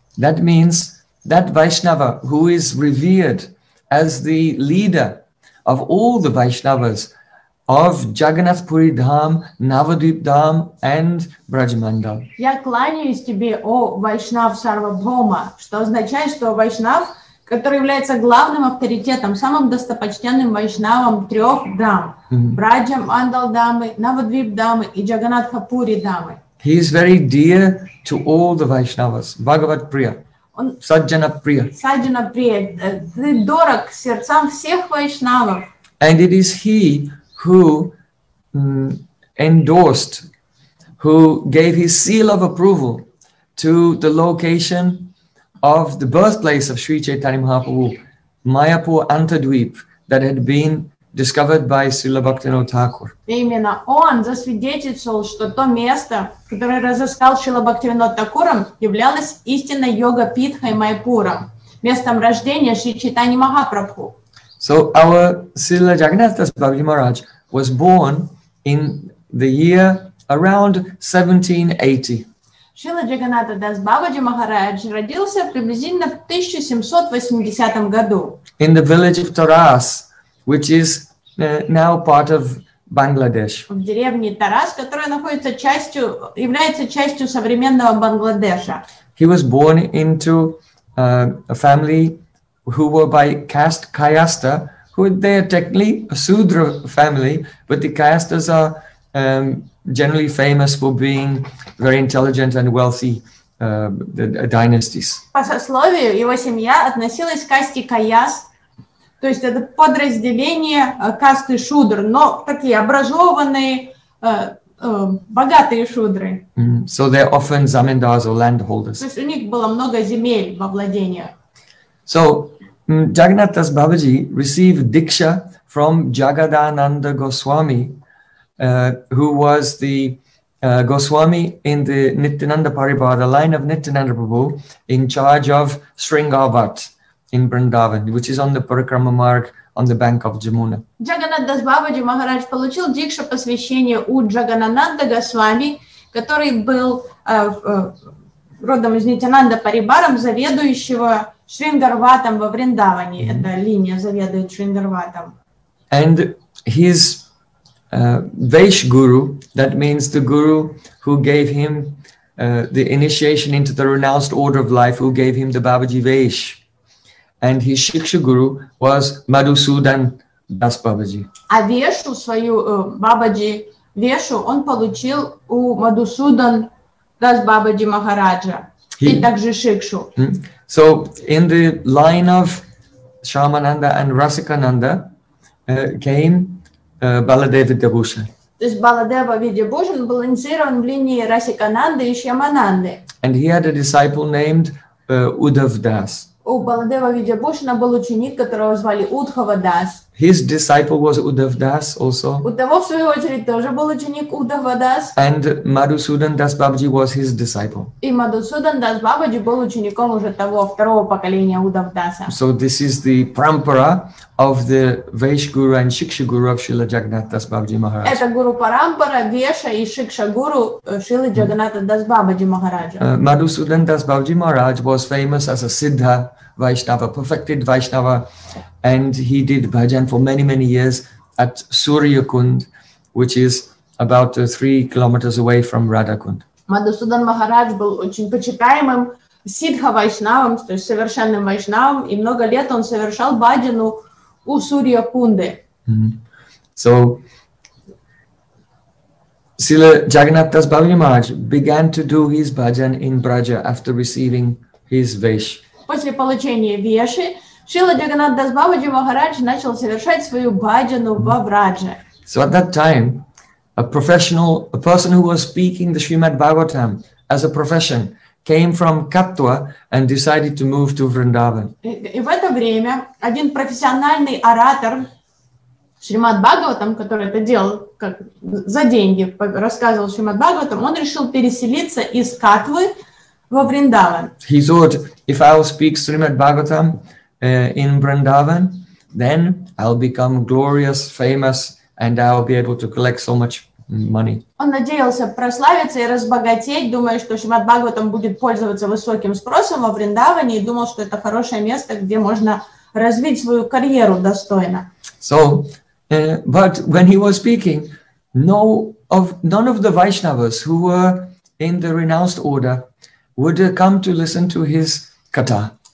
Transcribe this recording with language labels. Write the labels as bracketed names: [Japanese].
[English] That means that Vaishnava who is revered as the leader of all the Vaishnavas of Jagannath Puri Dham, Navadvip Dham, and Brajmandal. [Russian] Я кланяюсь тебе, о Вайшнав Сарвабхаума, что означает, что Вайшнав, который является главным авторитетом, самым достопочтенным вайшнавом трех дам, Браджа Мандал Дамы, Навадвип Дамы и Джаганнатха Пури Дамы. [English] He is very dear to all the Vaishnavas. [Sanskrit] Bhagavat Priya. Саджана Прия. Саджана Прия. [Russian] Ты дорог сердцам всех вайшнавов. [English] And it is he who endorsed, who gave his seal of approval to the location of the birthplace of Sri Chaitanya Mahaprabhu, Mayapur Antadweep, that had been discovered by Srila Bhaktivinoda Thakur. [Russian] Именно он засвидетельствовал, что то место, которое разыскал Шрила Бхактивинода Такуром, являлось истинной йога-питхой Майпура, местом рождения Шри Чайтаньи Махапрабху. [English] So our Srila Jagannath Das Babaji Maharaj was born in the year around 1780. [Russian] Шрила Джаганнатха Дас Бабаджи Махарадж родился приблизительно в 1780 году. [English] In the village of Taras, which is now part of Bangladesh. [Russian] В деревне Тарас, которая находится частью, является частью современного Бангладеша. [English] He was born into a family who were by caste Kayasta, who they are technically a Sudra family, but the Kayastas are generally famous for being very intelligent and wealthy dynasties. [Russian] По сословию, его семья относилась к касте Каяст, то есть это подразделение касты Шудр, но такие образованные, богатые шудры. [English] So they're often zamindars or landholders. [Russian] То есть у них было много земель во владениях. [English] So Jagannatha Das Babaji received diksha from Jagadananda Goswami, who was the Goswami in the Nityananda Paribha, the line of Nityananda Prabhu, in charge of Sringavat in Vrindavan, which is on the Parikrama Marg on the bank of Jamuna. [Russian] Jagannatha Das Babaji Maharaj получил дикшу посвящения у Джагананда Госвами, который был родом из Нитянанда Парибарам, заведующего Шрингарватом во Вриндаване. Mm-hmm. Эта линия заведует Шрингарватом. [English] And his Vaish Guru, that means the guru who gave him the initiation into the renounced order of life, who gave him the Babaji Vaish. And his Shiksha Guru was Madhusudan Das Babaji. [Russian] А вешу свою, Бабаджи вешу, он получил у Мадхусудан Дас Бабаджи Махараджа. И также Шикшу. [English] So, in the line of Шамананда and Расикананда came Баладева Видьябхушан. [Russian] То есть Баладева Видьябхушан был инициирован в линии Расикананды и Шамананды. [English] And he had a disciple named Удхав Дас. [Russian] У Баладева Видьябхушана был ученик, которого звали Удхава Дас. [English] His disciple was Удхав Дас also. [Russian] У того, в свою очередь, тоже был ученик Удхава Дас. [English] And Madhusudan Das Babaji was his disciple. [Russian] И Мадхусудан Дас Бабаджи был учеником уже того второго поколения Удхава Даса. [English] So this is the parampara of the Vaish Guru and Shiksha Guru of Srila Jagannatha Das Babaji Maharaj. [Russian] Это гуру парампара, веша и шикша гуру Шрилы Джаганнатха Дас Бабаджи Махараджа. [English] Madhusudan Das Babaji Maharaj was famous as a Siddha Vaishnava, perfected Vaishnava, and he did bhajan for many, many years at Suryakund, which is about 3 kilometers away from Radhakund. [Russian] Madhusudan Maharaj был очень почитаемым Siddha Vaishnavam, то есть совершенным Vaishnavam, и много лет он совершал бхаджану у Suryakunde. [English] So, Srila Jagannatha Das Babaji Maharaj began to do his bhajan in Braja after receiving his Vaish. [Russian] После получения веши, Шрила Джаганнатха Дас Бабаджи Махарадж начал совершать свою бхаджану во Врадже. [English] So at that time, a professional, a person who was speaking the Srimad Bhagavatam as a profession, came from Katwa and decided to move to Vrindavan. [Russian] И в это время один профессиональный оратор Шримад Бхагаватам, который это делал как за деньги, рассказывал Шримад Бхагаватам, он решил переселиться из Катвы во Вриндаван. [English] He thought, if I will speak Srimad Bhagavatam in Vrindavan, then I'll become glorious, famous, and I'll be able to collect so much money. [Russian] Он надеялся прославиться и разбогатеть, думая, что Шримад Бхагаватам будет пользоваться высоким спросом во Вриндаване, и думал, что это хорошее место, где можно развить свою карьеру достойно. [English] So, but when he was speaking, none of the Vaishnavas who were in the renounced order would come to listen to his kata.